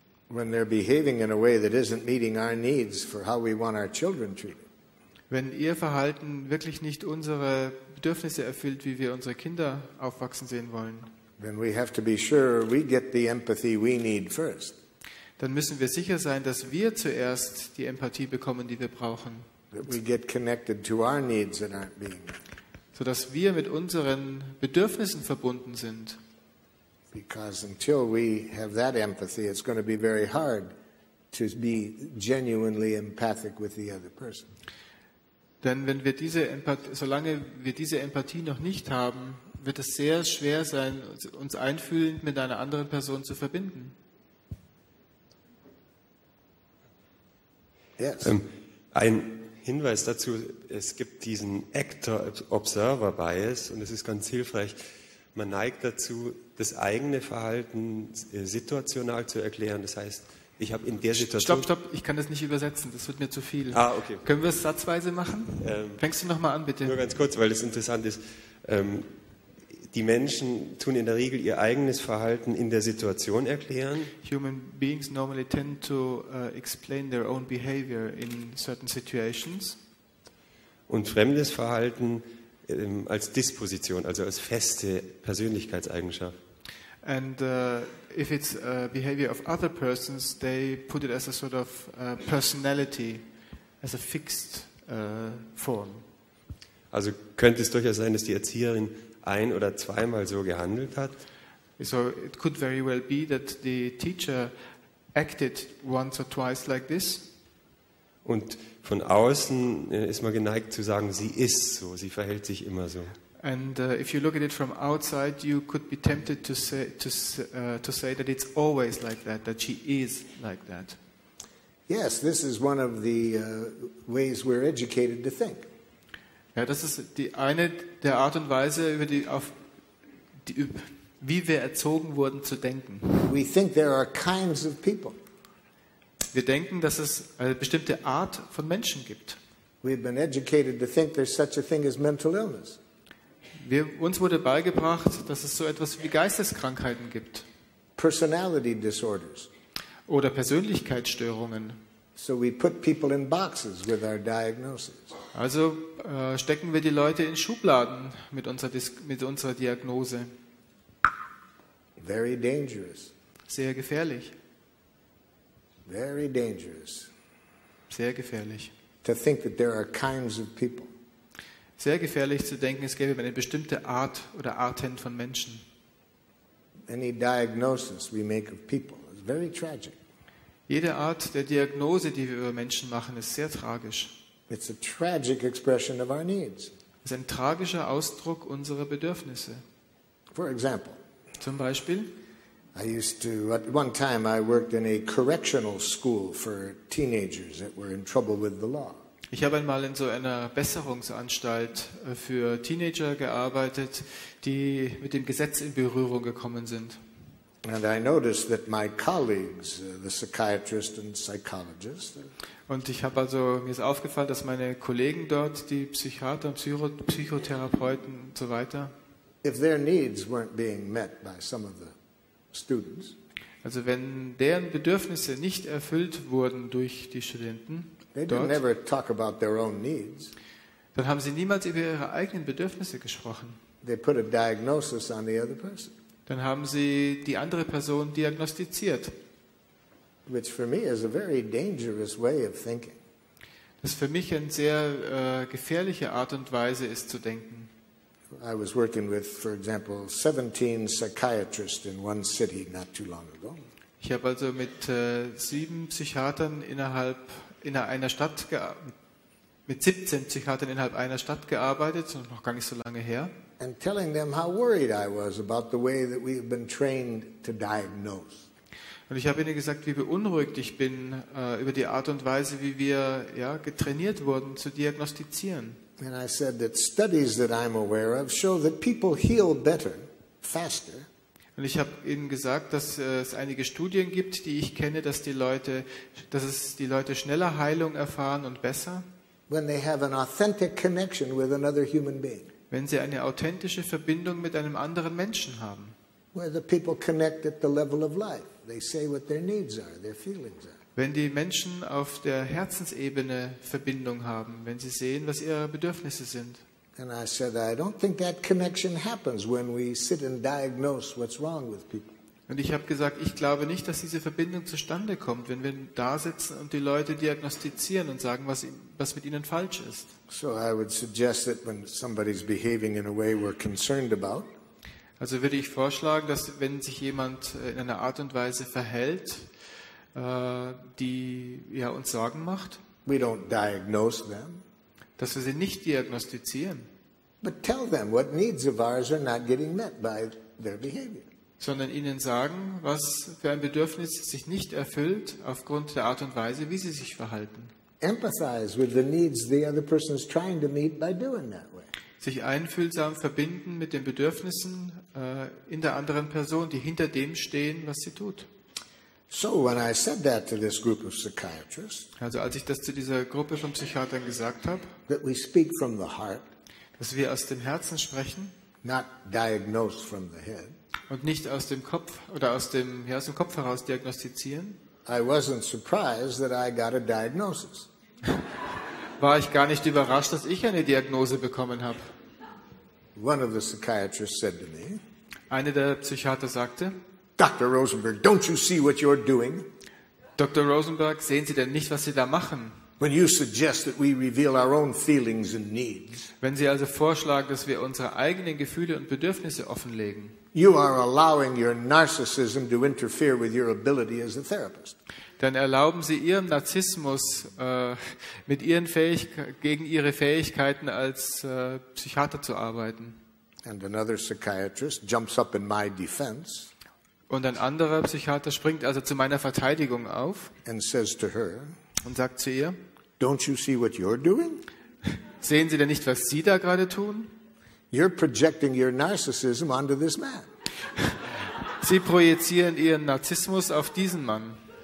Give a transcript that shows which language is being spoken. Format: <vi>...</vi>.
<en>when they're behaving in a way that isn't meeting our needs for how we want our children treated,</en> <de>wenn ihr Verhalten wirklich nicht unsere Bedürfnisse erfüllt, wie wir unsere Kinder aufwachsen sehen wollen,</de> <en>then we have to be sure we get the empathy we need first.</en> <de>Dann müssen wir sicher sein, dass wir zuerst die Empathie bekommen, die wir brauchen.</de> <en>That we get connected to our needs that aren't being met.</en> <de>So dass wir mit unseren Bedürfnissen verbunden sind.</de> <en>Because until we have that empathy, it's going to be very hard to be genuinely empathic with the other person.</en> <de>Denn wenn wir solange wir diese Empathie noch nicht haben, wird es sehr schwer sein, uns einfühlend mit einer anderen Person zu verbinden.</de> <en>Yes.</en> <de>Ein Hinweis dazu, es gibt diesen Actor-Observer-Bias und es ist ganz hilfreich, man neigt dazu, das eigene Verhalten situational zu erklären. Das heißt, ich habe in der Situation... Stopp, ich kann das nicht übersetzen, das wird mir zu viel. Ah, okay. Können wir es satzweise machen? Fängst du nochmal an, bitte. Nur ganz kurz, weil es interessant ist. Die Menschen tun in der Regel ihr eigenes Verhalten in der Situation erklären.</de> <en>Human beings normally tend to explain their own behavior in certain situations.</en> <de>Und fremdes Verhalten als Disposition, also als feste Persönlichkeitseigenschaft.</de> <en>And if it's a behavior of other persons, they put it as a sort of personality, as a fixed form.</en> <de>Also könnte es durchaus sein, dass die Erzieherin ein oder zweimal so gehandelt hat.</de> <en>So it could very well be that the teacher acted once or twice like this.</en> <de>Und von außen ist man geneigt zu sagen, sie ist so, sie verhält sich immer so.</de> <en>And if you look at it from outside, you could be tempted to say that it's always like that, that she is like that. Yes, this is one of the ways we're educated to think.</en> <de>Ja, das ist die eine der Art und Weise, wie wir erzogen wurden zu denken.</de> <en>We think there are kinds of people.</en> <de>Wir denken, dass es eine bestimmte Art von Menschen gibt.</de> <en>We've been educated to think there's such a thing as mental illness.</en> <de>Uns wurde beigebracht, dass es so etwas wie Geisteskrankheiten gibt.</de> <en>Personality disorders.</en> <de>Oder Persönlichkeitsstörungen.</de> <en>So we put people in boxes with our diagnosis.</en> <de>Also stecken wir die Leute in Schubladen mit unserer Diagnose.</de> <en>Very dangerous.</en> <de>Sehr gefährlich.</de> <en>Very dangerous.</en> <de>Sehr gefährlich.</de> <en>To think that there are kinds of people.</en> <de>Sehr gefährlich zu denken, es gäbe eine bestimmte Art oder Arten von Menschen.</de> <en>Any diagnosis we make of people is very tragic.</en> <de>Jede Art der Diagnose, die wir über Menschen machen, ist sehr tragisch.</de> <en>It's a tragic expression of our needs.</en> <de>Es ist ein tragischer Ausdruck unserer Bedürfnisse.</de> <en>For example,</en> <de>zum Beispiel,</de> <en>I used to, at one time I worked in a correctional school for teenagers that were in trouble with the law.</en> <de>Ich habe einmal in so einer Besserungsanstalt für Teenager gearbeitet, die mit dem Gesetz in Berührung gekommen sind.</de> <en>And I noticed that my colleagues, the psychiatrist and psychologist,</en> <de>und ich habe also, mir ist aufgefallen, dass meine Kollegen dort, die Psychiater und Psychotherapeuten und so weiter,</de> <en>if their needs weren't being met by some of the students,</en> <de>also wenn deren Bedürfnisse nicht erfüllt wurden durch die Studenten,</de> <en>they</en> <de>dort,</de> <en>never talk about their own needs.</en> <de>Dann haben sie niemals über ihre eigenen Bedürfnisse gesprochen.</de> <en>They put a diagnosis on the other person.</en> <de>Dann haben sie die andere Person diagnostiziert.</de> <en>Which for me is a very dangerous way of thinking.</en> <de>Das für mich eine sehr gefährliche Art und Weise ist zu denken.</de> <en>I was working with, for example, 17 psychiatrists in one city not too long ago.</en> <de>Ich habe also mit 7 Psychiatern innerhalb einer Stadt mit 17 Psychiatern innerhalb einer Stadt gearbeitet, noch gar nicht so lange her.</de> <en>And telling them how worried I was about the way that we have been trained to diagnose.</en> <de>Und ich habe ihnen gesagt, wie beunruhigt ich bin über die Art und Weise, wie wir getrainiert wurden zu diagnostizieren.</de> <en>And I said that studies that I'm aware of show that people heal better, faster.</en> <de>Und ich habe ihnen gesagt, dass es einige Studien gibt, die ich kenne, dass die Leute schneller Heilung erfahren und besser.</de> <en>When they have an authentic connection with another human being.</en> <de>Wenn sie eine authentische Verbindung mit einem anderen Menschen haben.</de> <en>Where the people connect at the level of life. They say what their needs are, their feelings are.</en> <de>Wenn die Menschen auf der Herzensebene Verbindung haben, wenn sie sehen, was ihre Bedürfnisse sind.</de> <en>And I said, I don't think that connection happens when we sit and diagnose what's wrong with people.</en> <de>Und ich habe gesagt, ich glaube nicht, dass diese Verbindung zustande kommt, wenn wir da sitzen und die Leute diagnostizieren und sagen, was mit ihnen falsch ist.</de> <en>So I would suggest that when somebody's behaving in a way we're concerned about.</en> <de>Also würde ich vorschlagen, dass wenn sich jemand in einer Art und Weise verhält, die uns Sorgen macht,</de> <en>we don't diagnose them,</en> <de>dass wir sie nicht diagnostizieren,</de> <en>but tell them what needs of ours are not getting met by their behavior.</en> <de>Sondern ihnen sagen, was für ein Bedürfnis sich nicht erfüllt aufgrund der Art und Weise, wie sie sich verhalten.</de> <en>Empathize with the needs the other person is trying to meet by doing that way.</en> <de>Sich einfühlsam verbinden mit den Bedürfnissen in der anderen Person, die hinter dem stehen, was sie tut.</de> <en>So when I said that to this group of psychiatrists,</en> <de>also als ich das zu dieser Gruppe von Psychiatern gesagt habe,</de> <en>that we speak from the heart,</en> <de>dass wir aus dem Herzen sprechen,</de> <en>not diagnosed from the head,</en> <de>und nicht aus dem Kopf oder aus dem Kopf heraus diagnostizieren,</de> <en>I wasn't surprised that I got a diagnosis.</en> <de>War ich gar nicht überrascht, dass ich eine Diagnose bekommen habe.</de> <en>One of the psychiatrists said to me,</en> <de>eine der Psychiater sagte,</de> <en>Dr. Rosenberg, don't you see what you're doing?</en> <de>Dr. Rosenberg, sehen Sie denn nicht, was Sie da machen?</de> <en>When you suggest that we reveal our own feelings and needs,</en> <de>wenn Sie also vorschlagen, dass wir unsere eigenen Gefühle und Bedürfnisse offenlegen,</de> <en>you are allowing your narcissism to interfere with your ability as a therapist.</en> <de>Dann erlauben Sie Ihrem Narzissmus mit Ihren gegen Ihre Fähigkeiten als Psychiater zu arbeiten.</de> <en>And another psychiatrist jumps up in my defense.</en> <de>Und ein anderer Psychiater springt also zu meiner Verteidigung auf.</de> <en>And says to her,</en> <de>und sagt zu ihr,</de> <en>don't you see what you're doing?</en> <de>Sehen Sie denn nicht, was Sie da gerade tun?</de> <en>You're projecting your narcissism onto this man.</en> <de>Sie projizieren Ihren Narzissmus auf diesen Mann.</de>